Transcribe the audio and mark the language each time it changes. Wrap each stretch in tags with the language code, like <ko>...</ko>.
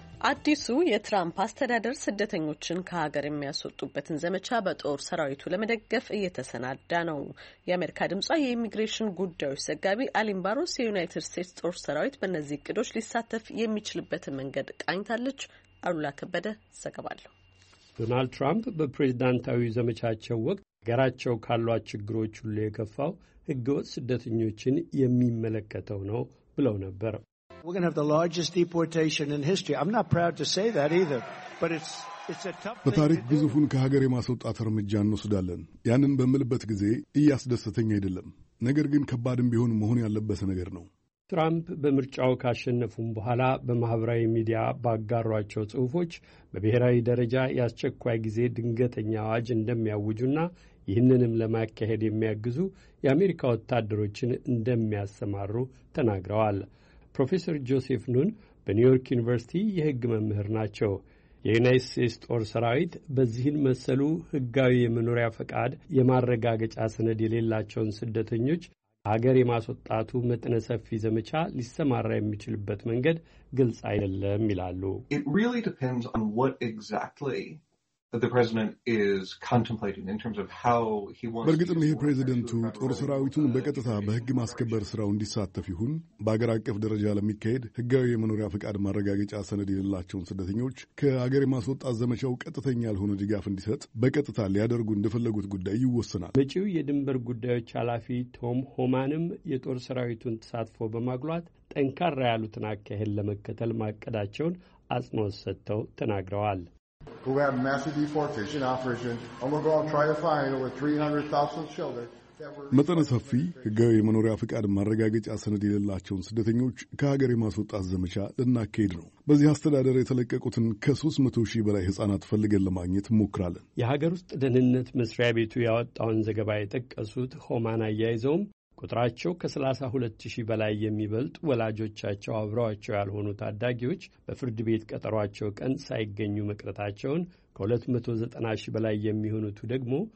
<am>አዲሱ የትራምፕ አስተዳደር ስደተኞችን ከሀገር የሚያስወጡበትን ዘመቻ በጦር ሰራዊቱ ለመደገፍ እየተሰናዳ ነው። የአሜሪካ ድምጿ የኢሚግሬሽን ጉዳዮች ዘጋቢ አሊን ባሮስ የዩናይትድ ስቴትስ ጦር ሰራዊት በእነዚህ እቅዶች ሊሳተፍ የሚችልበትን መንገድ ቃኝታለች። አሉላ ከበደ ዘገባለሁ። ዶናልድ ትራምፕ በፕሬዚዳንታዊ ዘመቻቸው ወቅት ሀገራቸው ካሏት ችግሮች ሁሉ የከፋው ህገወጥ ስደተኞችን የሚመለከተው ነው ብለው ነበር።</am> <en>We're going to have the largest deportation in history. I'm not proud to say that either, but it's a tough</en> <am>በታሪክ ግዙፉን ከሀገር የማስወጣት እርምጃ እንወስዳለን። ያንን በመልበት ጊዜ እያስደሰተኝ አይደለም፣ ነገር ግን ከባድም ቢሆን መሆን ያለበት ነገር ነው። ትራምፕ በምርጫው ካሸነፉም በኋላ በማህበራዊ ሚዲያ ባጋሯቸው ጽሑፎች በብሔራዊ ደረጃ ያስቸኳይ ጊዜ ድንገተኛ አዋጅ እንደሚያውጁና ይህንንም ለማካሄድ የሚያግዙ የአሜሪካ ወታደሮችን እንደሚያሰማሩ ተናግረዋል። ፕሮፌሰር ጆሴፍ ኑን በኒውዮርክ ዩኒቨርሲቲ የህግ መምህር ናቸው። የዩናይትድ ስቴትስ ጦር ሰራዊት በዚህን መሰሉ ህጋዊ የመኖሪያ ፈቃድ የማረጋገጫ ሰነድ የሌላቸውን ስደተኞች ሀገር የማስወጣቱ መጠነ ሰፊ ዘመቻ ሊሰማራ የሚችልበት መንገድ ግልጽ አይደለም ይላሉ።</am> <en>It really depends on what exactly the president is contemplating in terms of how he wants</en> <am>በርግጥም ይሄ ፕሬዝደንቱ ጦር ሰራዊቱን በቀጥታ በህግ ማስከበር ስራው እንዲሳተፍ ይሁን በአገር አቀፍ ደረጃ ለሚካሄድ ህጋዊ የመኖሪያ ፈቃድ ማረጋገጫ ሰነድ የሌላቸውን ስደተኞች ከአገር የማስወጣት ዘመቻው ቀጥተኛ ያልሆነ ድጋፍ እንዲሰጥ በቀጥታ ሊያደርጉ እንደፈለጉት ጉዳይ ይወሰናል። መጪው የድንበር ጉዳዮች ኃላፊ ቶም ሆማንም የጦር ሰራዊቱን ተሳትፎ በማግሏት ጠንካራ ያሉትን አካሄድ ለመከተል ማቀዳቸውን አጽንኦት ሰጥተው ተናግረዋል።</am> <en>Who have massive deportation operations, and we're going to try to find over 300,000 children.</en> <am>መጠነ ሰፊ ህጋዊ የመኖሪያ ፍቃድ ማረጋገጫ ሰነድ የሌላቸውን ስደተኞች ከሀገር የማስወጣት ዘመቻ ልናካሄድ ነው። በዚህ አስተዳደር የተለቀቁትን ከ300,000 በላይ ሕፃናት ፈልገን ለማግኘት እንሞክራለን። የሀገር ውስጥ ደህንነት መስሪያ ቤቱ ያወጣውን ዘገባ የጠቀሱት ሆማን አያይዘውም ቁጥራቸው ከ32,000 በላይ የሚበልጥ ወላጆቻቸው አብረዋቸው ያልሆኑ ታዳጊዎች በፍርድ ቤት ቀጠሯቸው ቀን ሳይገኙ መቅረታቸውን፣ ከ290,000 በላይ የሚሆኑት ደግሞ</am>